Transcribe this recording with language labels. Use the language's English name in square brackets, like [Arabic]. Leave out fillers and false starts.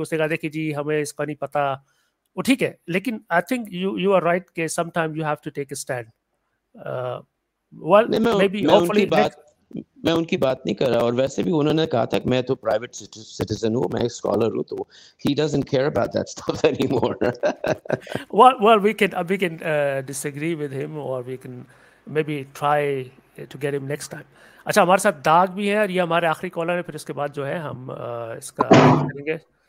[Hindi] उसने कहा देखिए जी हमें इसका नहीं पता, वो ठीक है, लेकिन [English] I think you are right के some time you have to take a stand. [Hindi] मैं उनकी बात नहीं कर रहा, और वैसे भी उन्होंने कहा था कि मैं तो प्राइवेट सिटीजन हूँ, मैं स्कॉलर हूँ, तो [English] he doesn't care about that stuff anymore. well we can disagree with him or we can maybe try to get him next time. [Hindi] अच्छा हमारे साथ दाग भी है और ये हमारे आखिरी कॉलर है, फिर इसके बाद जो है हम इसका करेंगे.